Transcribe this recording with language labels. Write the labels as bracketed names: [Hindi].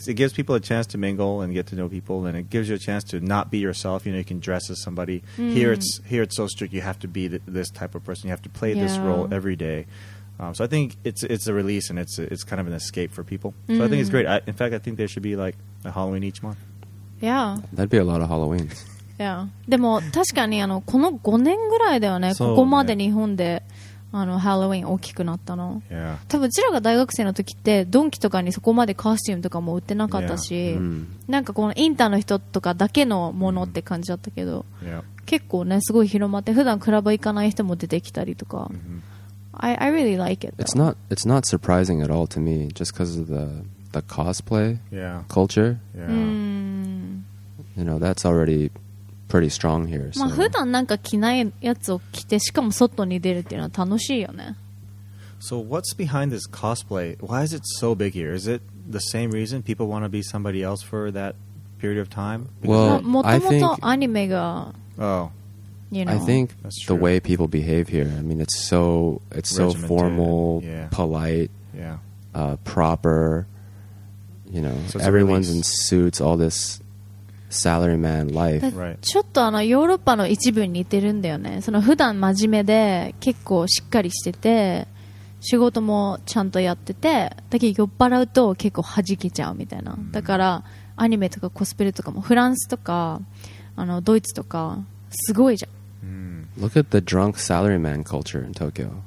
[English] It gives people a chance to mingle and get to know people. And it gives you a chance to not be yourself. You know, you can dress as somebody. Here it's so strict. You have to be this type of person. You have to play this role every day. So I think it's a release and it's kind of an escape for people. So I think it's great. In fact, I think there should be like a Halloween each month. Yeah. That'd be a lot of Halloweens. Yeah. [Japanese] でも確かにあのこの5年ぐらいだよね、 [English] so, [Japanese] ここまで日本であのハロウィン大きくなったの、 [English] yeah. [Japanese] 多分うちらが大学生の時ってドンキとかにそこまでコスチュームとかも売ってなかったし、 [English] yeah. [Japanese] なんかこのインターの人とかだけのものって感じだったけど、 [English] yeah. [Japanese] 結構ねすごい広まって普段クラブ行かない人も出てきたりとか、 [English] I really like it、 though. It's not surprising at all to me just because of the cosplay、 yeah. culture、 yeah. You know that's alredyPretty strong here. So. [Japanese] まあ普段なんか着ないやつを着て、しかも外に出るっていうのは楽しいよね。 [English] So what's behind this cosplay? Why is it so big here? Is it the same reason people want to be somebody else for that period of time? Well, I think anime が You know. I think the way people behave here, I mean, it's so formal, polite, proper, you know, so everyone's in suits, all this salaryman life. [Japanese] ちょっとあのヨーロッパの一部に似てるんだよね。その普段真面目で結構しっかりしてて、仕事もちゃんとやってて、だけど酔っ払うと結構弾けちゃうみたいな。だからアニメとかコスプレとかもフランスとかあのドイツとかすごいじゃん。 [English] Look at the drunk salaryman culture in Tokyo.